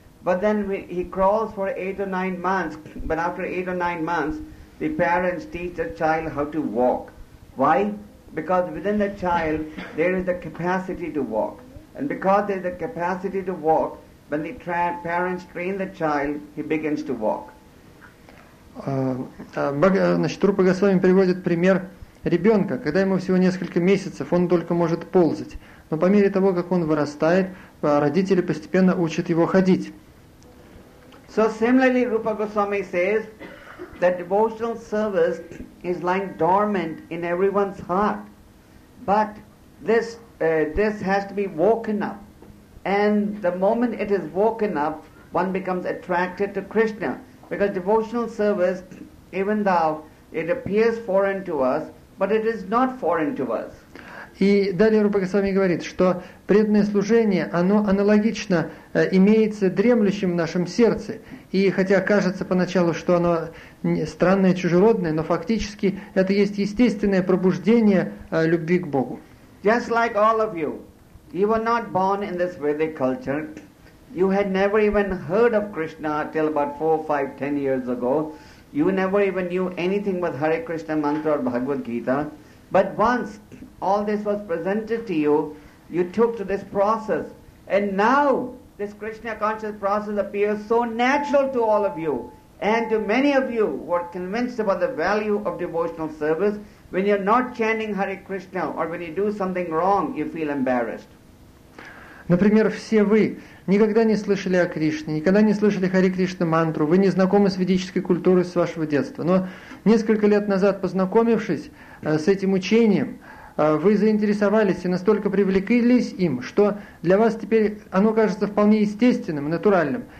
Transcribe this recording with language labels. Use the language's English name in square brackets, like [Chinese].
[English] But then he crawls for 8 or 9 months, but after 8 or 9 months, the parents teach the child how to walk. Why? Because within the child, there is the capacity to walk. And because there is the capacity to walk, when the parents train the child, he begins to walk. [Russian] Значит, Рупа Госвами приводит пример ребенка. Когда ему всего несколько месяцев, он только может ползать. Но по мере того, как он вырастает, родители постепенно учат его ходить. [English] So similarly, Rupa Goswami says that devotional service is lying dormant in everyone's heart. But this has to be woken up. And the moment it is woken up, one becomes attracted to Krishna. Because devotional service, even though it appears foreign to us, but it is not foreign to us. [Russian] И далее Рупа Госвами говорит, что преданное служение, оно аналогично имеется дремлющим в нашем сердце. И хотя кажется поначалу, что оно странное, чужеродное, но фактически это есть естественное пробуждение любви к Богу. [English] Just like all of you, you were not born in this Vedic culture. You had never even heard of Krishna till about 4, 5, 10 years ago. You never even knew anything but Hare Krishna mantra or Bhagavad Gita. But once all this was presented to you, you took to this process. And now this Krishna conscious process appears so natural to all of you. And to many of you who are convinced about the value of devotional service, when you're not chanting Hare Krishna or when you do something wrong, you feel embarrassed. [Russian] Например, все вы никогда не слышали о Кришне, никогда не слышали Хари Кришна мантру, вы не знакомы с ведической культурой с вашего детства. Но несколько лет назад, познакомившись с этим учением, вы заинтересовались и настолько привлеклись им, что для вас теперь оно кажется вполне естественным, натуральным.